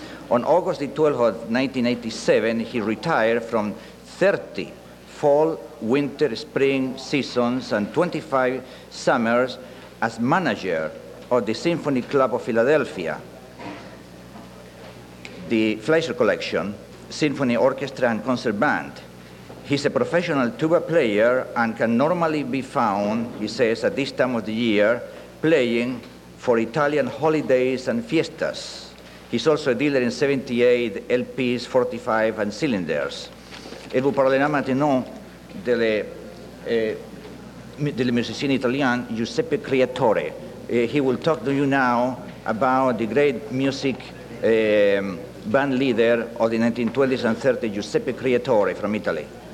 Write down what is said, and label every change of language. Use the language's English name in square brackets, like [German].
[English] On August the 12th of 1987, he retired from 30 fall, winter, spring seasons and 25 summers as manager of the Symphony Club of Philadelphia, the Fleischer Collection, Symphony Orchestra and Concert Band. He's a professional tuba player and can normally be found, he says, at this time of the year, playing for Italian holidays and fiestas. He's also a dealer in 78 LPs, 45 and cylinders. [French] Et vous parlez là maintenant de le musicien italien Giuseppe Creatore. [English] He will talk to you now about the great music band leader of the 1920s and 30s, Giuseppe Creatore from Italy.